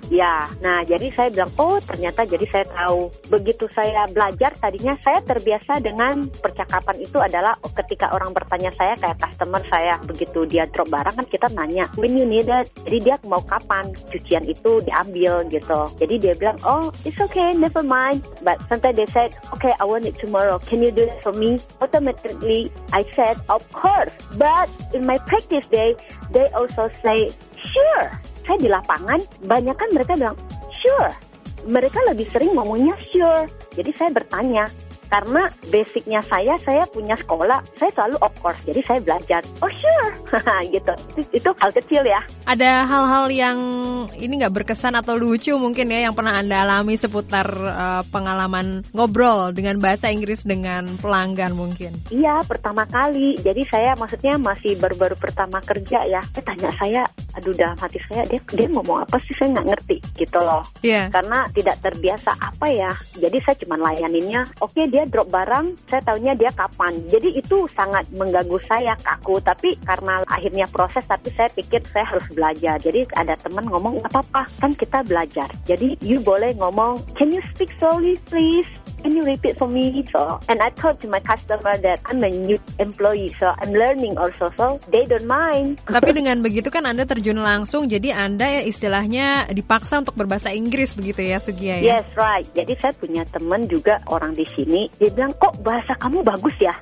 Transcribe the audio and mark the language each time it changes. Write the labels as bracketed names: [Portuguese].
[Indonesian] Ya, nah jadi saya bilang, oh ternyata jadi saya tahu. Begitu saya belajar, tadinya saya terbiasa dengan percakapan itu adalah ketika orang bertanya saya, kayak customer saya, begitu dia drop barang kan kita nanya, [English] when you need it, [Indonesian] jadi dia mau kapan cucian itu diambil gitu. Jadi dia bilang, [English] oh it's okay, never mind. But sometimes they said, okay, I want it tomorrow, can you do it for me? Automatically, I said, of course. But in my practice day, they also say, sure. [Indonesian] Saya di lapangan, banyak kan mereka bilang, sure. Mereka lebih sering ngomongnya sure. Jadi saya bertanya, karena basicnya saya punya sekolah, saya selalu [English] of course, [Indonesian] jadi saya belajar, oh sure, gitu. Itu hal kecil ya. Ada hal-hal yang ini gak berkesan atau lucu mungkin ya, yang pernah Anda alami seputar pengalaman ngobrol dengan bahasa Inggris dengan pelanggan mungkin? Iya, pertama kali. Jadi saya maksudnya masih baru-baru pertama kerja ya. Dia tanya saya, aduh dalam hati saya, dia ngomong apa sih, saya gak ngerti gitu loh. Yeah. Karena tidak terbiasa apa ya. Jadi saya cuma layaninnya, okay, dia drop barang, saya taunya dia kapan. Jadi itu sangat mengganggu saya, kaku. Tapi karena akhirnya proses, tapi saya pikir saya harus belajar. Jadi ada teman ngomong, gak apa-apa, kan kita belajar. Jadi [English] you [Indonesian] boleh ngomong, [English] can you speak slowly please? Can you repeat for me? So, and I told to my customer that I'm a new employee, so I'm learning also, so they don't mind. [Indonesian] Tapi dengan begitu kan Anda terjun langsung, jadi Anda ya istilahnya dipaksa untuk berbahasa Inggris begitu ya, Sugia ya? [English] Yes, right. [Indonesian] Jadi saya punya teman juga orang di sini, dia bilang, kok bahasa kamu bagus ya?